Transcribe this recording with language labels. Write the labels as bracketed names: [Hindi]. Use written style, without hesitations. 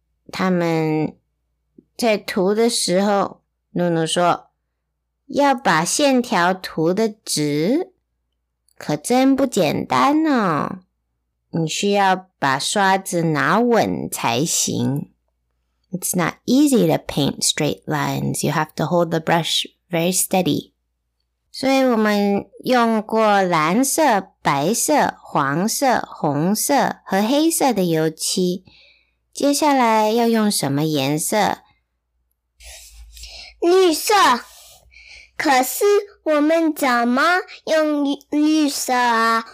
[Chinese] 他们在涂的时候，努努说要把线条涂得直，可真不简单呢，你需要把刷子拿稳才行。 [English] It's not easy to paint straight lines. You have to hold the brush very steady. [Chinese] 所以我们用过蓝色、白色、黄色、红色和黑色的油漆。接下来要用什么颜色？绿色。可是我们怎么用绿色啊？